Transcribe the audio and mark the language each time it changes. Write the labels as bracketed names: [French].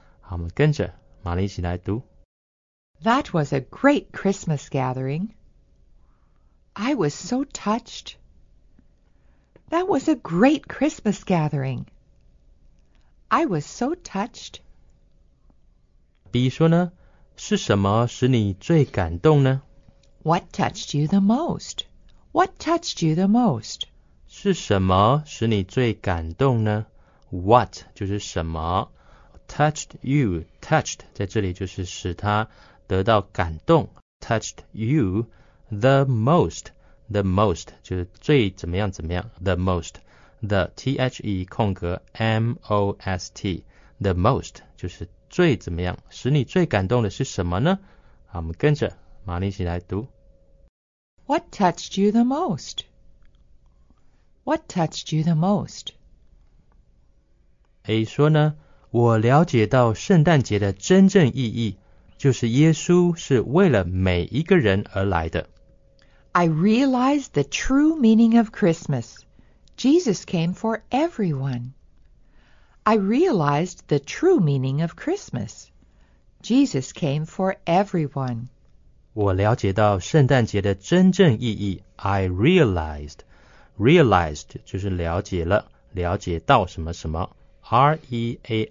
[Chinese] 好，我们跟着玛丽一起来读。 [English] That was a great Christmas gathering. I was so touched. That was a great Christmas gathering. I was so touched. [Chinese] B 说呢，是什么使你最感动呢？ [English] What touched you the most? What touched you the most? [Chinese] 是什么使你最感动呢？What 就是什么。 [English] Touched you, touched [Chinese] 在这里就是使他得到感动。 [English] Touched you the most, the most [Chinese] 就是最怎么样怎么样。 [English] The most. [Chinese] The T-H-E 空格 M-O-S-T [English] The most [Chinese] 就是最怎么样，使你最感动的是什么呢？好，我们跟着玛丽一起来读。 [English] What touched you the most? What touched you the most? [Chinese] A 说呢，我了解到圣诞节的真正意义，就是耶稣是为了每一个人而来的。 [English] I realized the true meaning of Christmas. Jesus came for everyone. I realized the true meaning of Christmas. Jesus came for everyone. [Chinese] 我了解到圣诞节的真正意义。 [English] I realized. [Chinese] Realized 就是了解了，了解到什么什么。R-E-A-L-I-Z-E-D.